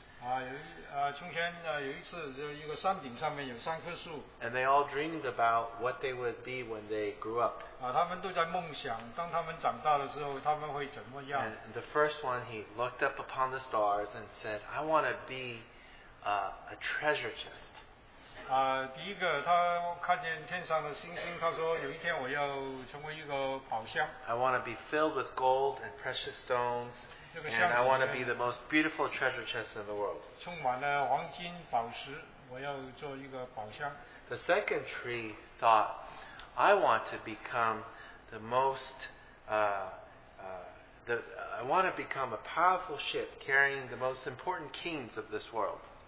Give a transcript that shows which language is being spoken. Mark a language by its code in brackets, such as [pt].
[en] And they all dreamed about what they would be when they grew up. And the first one, he looked up upon the stars and said, I want to be a treasure chest. [zh] 第一个他看见天上的星星，他说有一天我要成为一个宝箱。 [en] I want to be filled with gold and precious stones, and I want to be the most beautiful treasure chest in the world. [zh] 充满了黄金宝石，我要做一个宝箱。 [en] The second tree thought, I want to become the most I want to become a powerful ship carrying the most important kings of this world.